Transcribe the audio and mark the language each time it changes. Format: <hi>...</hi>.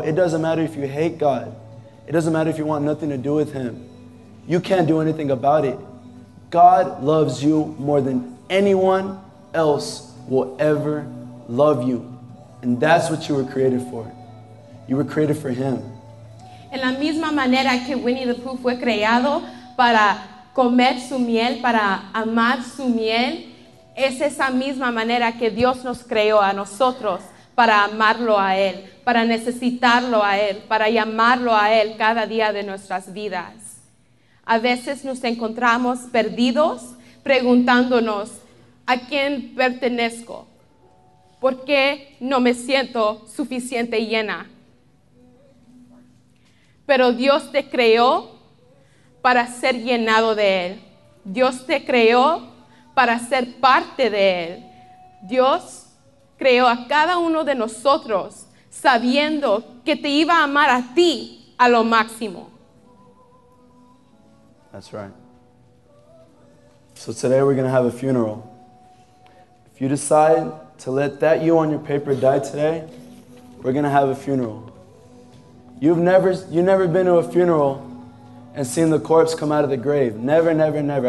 <en>It doesn't matter if you hate God. It doesn't matter if you want nothing to do with Him. You can't do anything about it. God loves you more than anyone else will ever love you. And that's what you were created for. You were created for Him.</en> <es>En la misma manera que Winnie the Pooh fue creado para comer su miel, para amar su miel, es esa misma manera que Dios nos creó a nosotros para amarlo a Él, para necesitarlo a Él, para llamarlo a Él cada día de nuestras vidas. A veces nos encontramos perdidos preguntándonos, ¿a quién pertenezco? ¿Por qué no me siento suficiente y llena? Pero Dios te creó para ser llenado de Él. Dios te creó para ser parte de Él. Dios creó a cada uno de nosotros sabiendo que te iba a amar a ti a lo máximo.</es> <en>That's right. So today we're going to have a funeral. If you decide to let that you on your paper die today, we're going to have a funeral. You've never been to a funeral and seen the corpse come out of the grave. Never, never, never.</en>